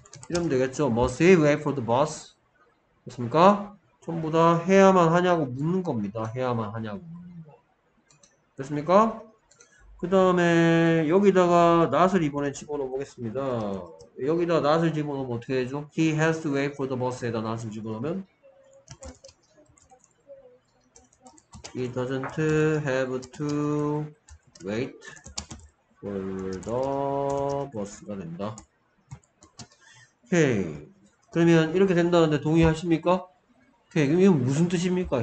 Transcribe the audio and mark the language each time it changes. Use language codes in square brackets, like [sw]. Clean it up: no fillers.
[ko] 이러면 되겠죠. [en] Must he wait for the bus? [ko] 됐습니까? 전부 다 해야만 하냐고 묻는 겁니다. 해야만 하냐고. 됐습니까? 그 다음에 여기다가 not을 이번에 집어넣어보겠습니다. 여기다 not을 집어넣으면 어떻게 해줘? [en] He has to wait for the bus에다 not을 [ko] 집어넣으면 [en] He doesn't have to wait for the bus가 [ko] 된다. 오케이. 그러면 이렇게 된다는데 동의하십니까? 오케이, 그럼 이건 무슨 뜻입니까?